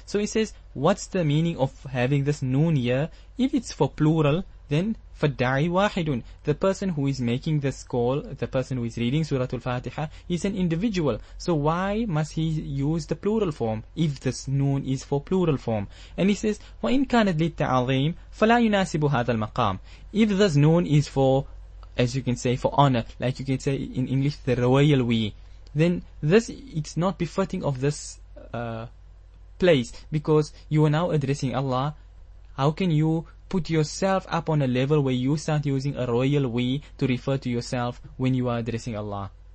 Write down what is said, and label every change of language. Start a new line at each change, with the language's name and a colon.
English: So he says, what's the meaning of having this noon here? If it's for plural, then
Arabic: fadda'i wahidun,
English: the person who is making this call, the person who is reading Surah Al-Fatiha, is an individual. So why must he use the plural form if this noon is for plural form? And he says,
Arabic: وَإِنْ كَانَتْ لِلْتَعَظِيمِ فَلَا يُنَاسِبُ هَذَا الْمَقَامِ.
English: If this noon is for, as you can say, for honor, like you can say in English, the royal we, then this, it's not befitting of this place, because you are now addressing Allah. How can you put yourself up on a level where you start using a royal we to refer to yourself when you are addressing Allah?